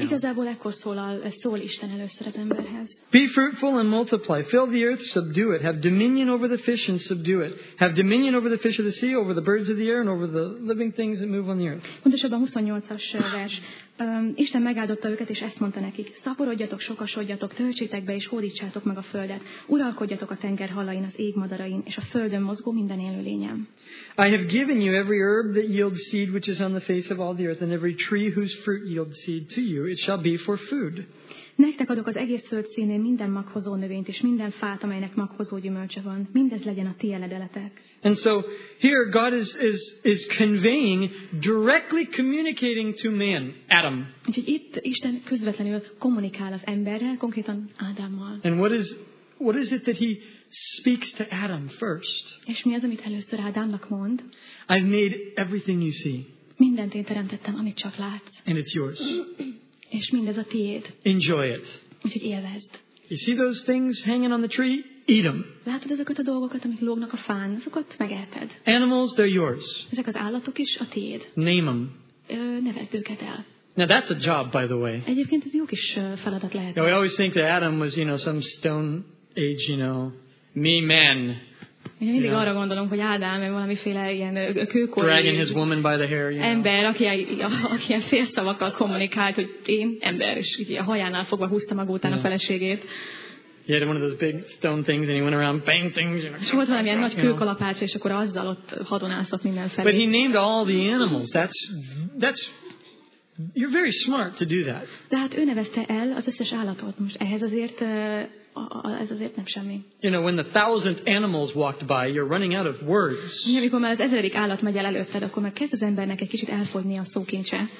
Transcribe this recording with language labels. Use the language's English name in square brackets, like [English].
[Hungarian] Igazából ekkor szól Isten először az emberhez. [English] Be fruitful and multiply. Fill the earth, subdue it. Have dominion over the fish and subdue it. Have dominion over the fish of the sea, over the birds of the air, and over the living things that move on the earth. [Hungarian] Pontosabban 28-as vers. Isten megáldotta őket, és ezt mondta nekik. Szaporodjatok, sokasodjatok, töltsétek be, és hódítsátok meg a földet. Uralkodjatok a tenger halain, az ég madarain, és a földön mozgó minden élő lényem. [English] I have given you every herb that yields seed, which is on the face of all the earth, and every tree whose fruit yields seed to you, it shall be for food. [Hungarian] Nektek adok az egész föld színén minden maghozó növényt, és minden fát, amelynek maghozó gyümölcse van. Mindez legyen a ti eledeletek. [English] And so here God is conveying, directly communicating to man, Adam. [Hungarian] Úgyhogy itt Isten közvetlenül kommunikál az emberrel, konkrétan Ádámmal. [English] And what is it that he speaks to Adam first? [Hungarian] És mi az, amit először Ádámnak mond? [English] I've made everything you see. [Hungarian] Mindent én teremtettem, amit csak látsz. [English] And it's yours. [Hungarian] És mindez a tiéd. [English] Enjoy it. [Hungarian] Úgyhogy élvezd. [English] You see those things hanging on the tree? Eat them. [Hungarian] Látod ezeket a dolgokat, amik lógnak a fán? Azokat megeheted. [English] Animals, they're yours. [Hungarian] Ezek az állatok is a tiéd. [English] Name them. [Hungarian] Nevezd őket el. [English] Now that's a job, by the way. [Hungarian] Egyébként ez jó kis feladat lehet. [English] We always think that Adam was, you know, some stone age, you know, me man. [Hungarian] Én mindig arra gondolom, hogy Ádám valamiféle ilyen kőkorú [English] dragging his woman by the hair, you [Hungarian] ember, [English] know. [Hungarian] aki ilyen félszavakkal kommunikált, hogy én ember, és így a hajánál fogva húzta maga után a feleségét. [English] He had one of those big stone things, and he went around bang things. You know, [Hungarian] volt valami ilyen nagy kőkalapács, és akkor azzal ott hadonászott mindenfelé. [English] But he named all the animals. That's you're very smart to do that. [Hungarian] De hát ő nevezte el az összes állatot. Most ehhez azért ez azért nem semmi. [English] You know, when the thousandth animals walked by, you're running out of words. [Hungarian] Amikor már az ezredik állat megy el előtted, akkor már kezd az embernek egy kicsit elfogyni a szókincse.